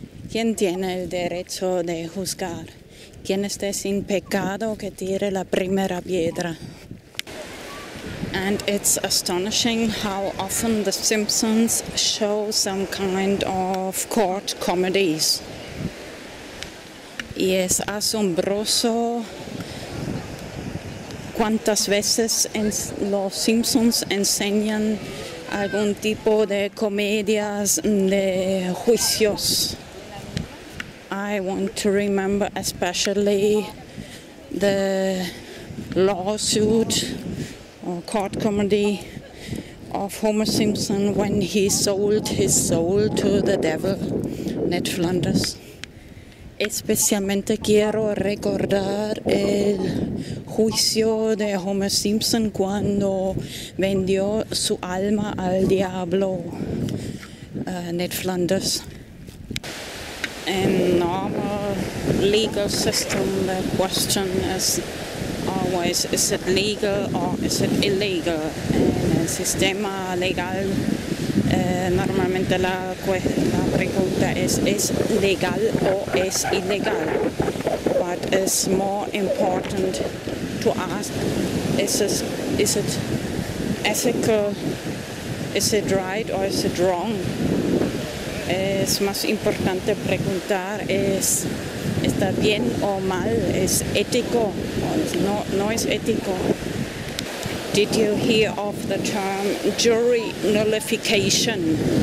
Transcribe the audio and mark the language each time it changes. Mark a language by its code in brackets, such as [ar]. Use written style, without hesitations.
[es] ¿Quién tiene el derecho de juzgar? ¿Quién esté sin pecado que tire la primera piedra? [en] And it's astonishing how often The Simpsons show some kind of court comedies. [es] Y es asombroso cuántas veces los Simpsons enseñan algún tipo de comedias de juicios. [en] I want to remember especially the lawsuit or court comedy of Homer Simpson when he sold his soul to the devil, Ned Flanders. [es] Especialmente quiero recordar el juicio de Homer Simpson cuando vendió su alma al diablo, Ned Flanders. [en] In normal legal system, the question is always, is it legal or is it illegal? [es] En el sistema legal, normalmente la pregunta es legal o es ilegal? [en] But it's more important to ask, is it ethical? Is it right or is it wrong? [es] Es más importante preguntar, ¿está bien o mal? ¿Es ético? No es ético. [en] Did you hear of the term jury nullification?